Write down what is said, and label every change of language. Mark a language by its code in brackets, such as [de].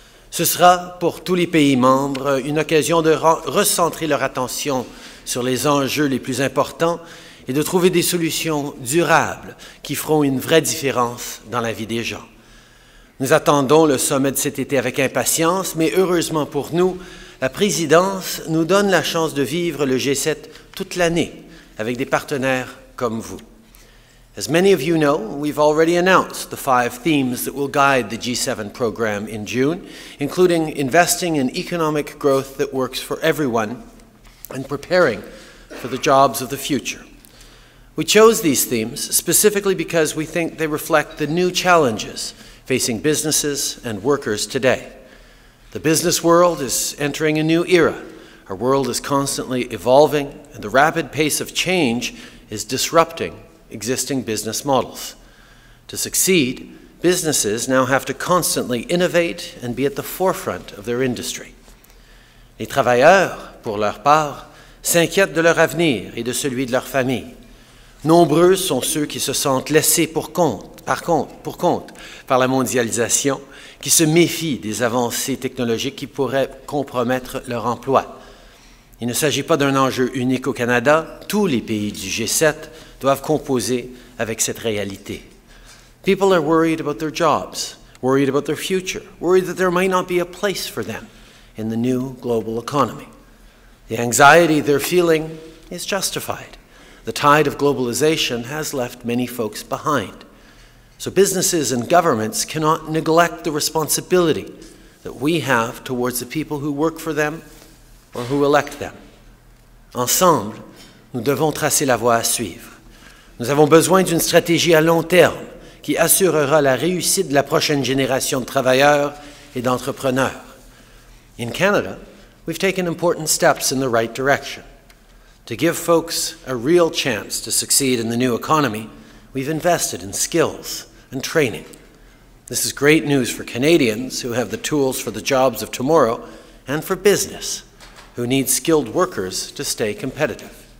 [fr] Ce sera, pour tous les pays membres, une occasion de recentrer leur attention sur les enjeux les plus importants et de trouver des solutions durables qui feront une vraie différence dans la vie des gens. Nous attendons le sommet de cet été avec impatience, mais heureusement pour nous, la présidence nous donne la chance de vivre le G7 toute l'année avec des partenaires comme vous. [en] As many of you know, we've already announced the 5 themes that will guide the G7 program in June, including investing in economic growth that works for everyone and preparing for the jobs of the future. We chose these themes specifically because we think they reflect the new challenges facing businesses and workers today. The business world is entering a new era. Our world is constantly evolving, and the rapid pace of change is disrupting existing business models. To succeed, businesses now have to constantly innovate and be at the forefront of their industry. [fr] Les travailleurs, pour leur part, s'inquiètent de leur avenir et de celui de leur famille. Nombreux sont ceux qui se sentent laissés pour compte par la mondialisation, qui se méfient des avancées technologiques qui pourraient compromettre leur emploi. Il ne s'agit pas d'un enjeu unique au Canada, tous les pays du G7 doivent composer avec cette réalité. [en] People are worried about their jobs, worried about their future, worried that there might not be a place for them in the new global economy. The anxiety they're feeling is justified. The tide of globalization has left many folks behind. So businesses and governments cannot neglect the responsibility that we have towards the people who work for them or who elect them. [fr] Ensemble, nous devons tracer la voie à suivre. Nous avons besoin d'une stratégie à long terme qui assurera la réussite de la prochaine génération de travailleurs et d'entrepreneurs. [en] In Canada, we've taken important steps in the right direction. To give folks a real chance to succeed in the new economy, we've invested in skills and training. This is great news for Canadians who have the tools for the jobs of tomorrow and for business who need skilled workers to stay competitive.